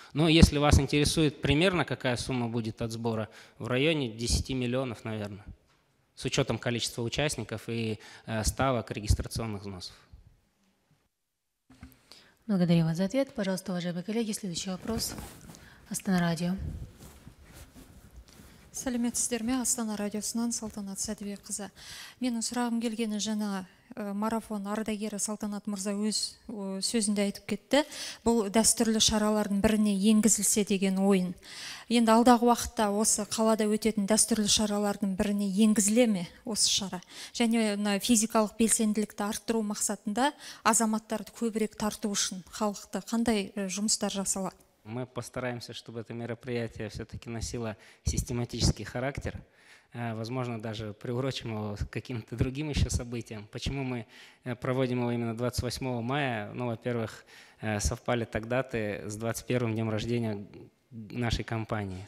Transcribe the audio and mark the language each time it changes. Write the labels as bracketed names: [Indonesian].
[Russian] Но если вас интересует примерно, какая сумма будет от сбора, в районе 10 миллионов, наверное, с учетом количества участников и ставок регистрационных взносов. Благодарю вас за ответ. Пожалуйста, уважаемые коллеги, следующий вопрос. Астана Радио. [Kazakh] Сәлемет сіздерме, Астана радиосынан Салтанат Сәдібе қызы. Менің сұрағым келгені жаңа марафон ардагері Салтанат Мұрза өз сөзінде айтып кетті. Бұл дәстүрлі шаралардың біріне енгізілсе деген ойын. Енді алдағы уақытта осы қалада өтетін дәстүрлі шаралардың біріне енгізіле ме осы шара? Және физикалық белсенділікті арттыру мақсатында азаматтарды көбірек тарту үшін халықты қандай жұмыстар жасалады? [Russian] Мы постараемся, чтобы это мероприятие все-таки носило систематический характер. Возможно, даже приурочим его к каким-то другим еще событиям. Почему мы проводим его именно 28 мая? Ну, во-первых, совпали так даты с 21-м днем рождения нашей компании.